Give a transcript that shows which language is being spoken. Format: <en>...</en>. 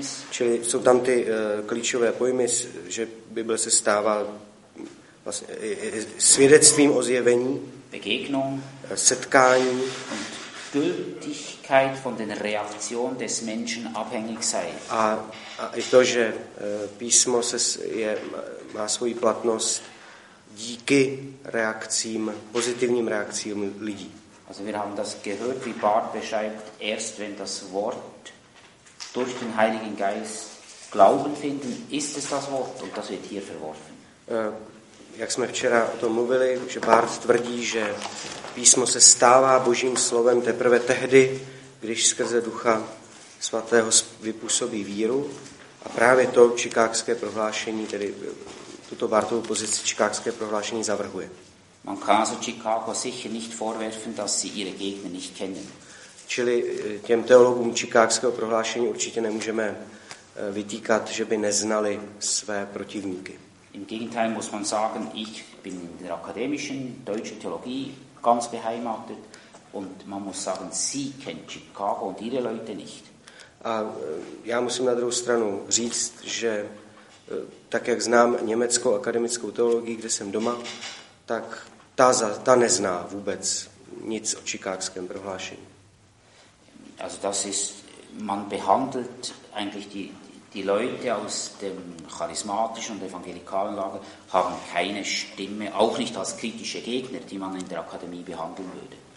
<cs>Čili jsou tam ty klíčové pojmy, že Bible se stává vlastně svědectvím o zjevení,</cs> <de>Begegnung,</de> <cs>setkání</cs> <de>und Gültigkeit von den Reaktion des Menschen abhängig sei.</de> <cs>A i to, že písmo má svoji platnost díky reakcím, pozitivním reakcím lidí.</cs> <de>Also wir haben das gehört, wie Barth beschreibt, erst wenn das Wort durch den Heiligen Geist Glauben finden, ist es das Wort und das wird hier verworfen.</de> <cs>Jak jsme včera o tom mluvili, že Barth tvrdí, že písmo se stává Božím slovem teprve tehdy, když skrze Ducha Svatého vypůsobí víru. A právě to chicagské prohlášení, tedy tuto Barthovu pozici chicagské prohlášení zavrhuje.</cs> <de>Man kann so Chicago sicher nicht vorwerfen, dass sie ihre Gegner nicht kennen.</de> <cs>Čili těm teologům chicagského prohlášení určitě nemůžeme vytýkat, že by neznali své protivníky.</cs> <de>Im Gegenteil muss man sagen, ich bin in der akademischen deutschen Theologie ganz beheimatet und man muss sagen, sie kennen Chicago und ihre Leute nicht.</de> <cs>A já musím na druhou stranu říct, že tak jak znám německou akademickou teologii, kde jsem doma, tak ta nezná vůbec nic o chicagském prohlášení.</cs> <de>Also das ist, man behandelt eigentlich die Leute aus dem charismatischen und evangelikalen Lager haben keine Stimme, auch nicht als kritische Gegner, die man in der Akademie behandeln würde.</de>